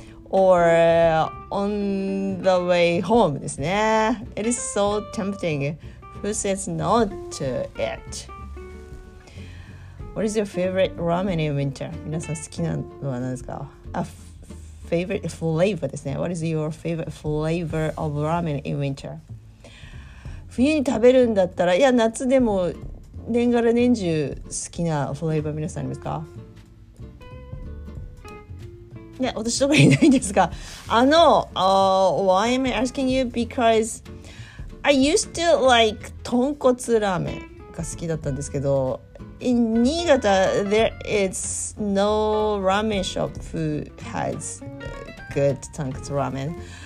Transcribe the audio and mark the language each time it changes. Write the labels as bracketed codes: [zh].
[en] or on the way home [ja] ですね。 [en] It is so tempting. Who says no to it? What is your favorite ramen in winter? [ja] 皆さん好きなのは何ですか？ [en] Favorite flavor [ja] ですね。 [en] What is your favorite flavor of ramen in winter? [ja] 冬に食べるんだったら、いや夏でも年がら年中好きなフレーバー皆さんありますか？ね、私とかいないんですが、あの、 [en] why am I asking you? Because I used to like [ja] 豚骨ラーメンが好きだったんですけど、 [en] in 新潟 there is no ramen shop who has good 豚骨ラーメン。